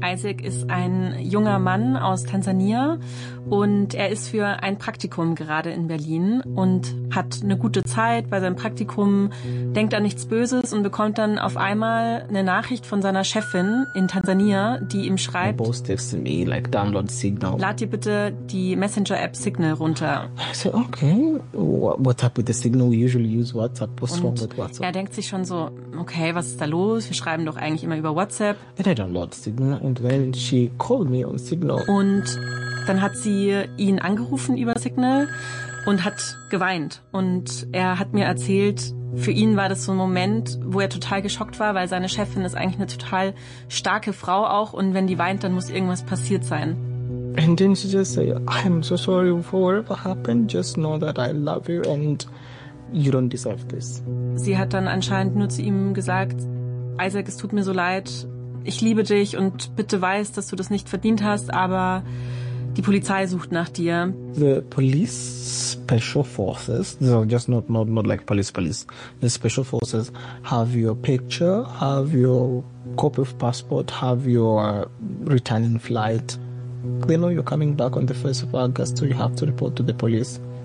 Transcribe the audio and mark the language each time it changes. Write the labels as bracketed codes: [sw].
[de] Isaac ist ein junger Mann aus Tansania und er ist für ein Praktikum gerade in Berlin und hat eine gute Zeit bei seinem Praktikum, denkt an nichts Böses und bekommt dann auf einmal eine Nachricht von seiner Chefin in Tansania, die ihm schreibt: [en] "Your boss texted me, like download Signal. [de] Lad dir bitte die Messenger-App Signal runter." [en] I said, okay, what up with the Signal? We usually use WhatsApp. What's wrong with WhatsApp? [de] Er denkt sich schon so, okay, was ist da los? Wir schreiben doch eigentlich immer über WhatsApp. [en] And I download Signal and then she called me on Signal. [de] Und dann hat sie ihn angerufen über Signal und hat geweint. Und er hat mir erzählt, für ihn war das so ein Moment, wo er total geschockt war, weil seine Chefin ist eigentlich eine total starke Frau auch. Und wenn die weint, dann muss irgendwas passiert sein. [en] And then she just say, I'm so sorry for whatever happened. Just know that I love you and you don't deserve this. [de] Sie hat dann anscheinend nur zu ihm gesagt, Isaac, es tut mir so leid. Ich liebe dich und bitte weiß, dass du das nicht verdient hast, aber die Polizei sucht nach dir. [en] The police special forces, so just not like police. The special forces have your picture, have your copy of passport, have your returning flight. They know you're coming back on the 1st of August, so you have to report to the police.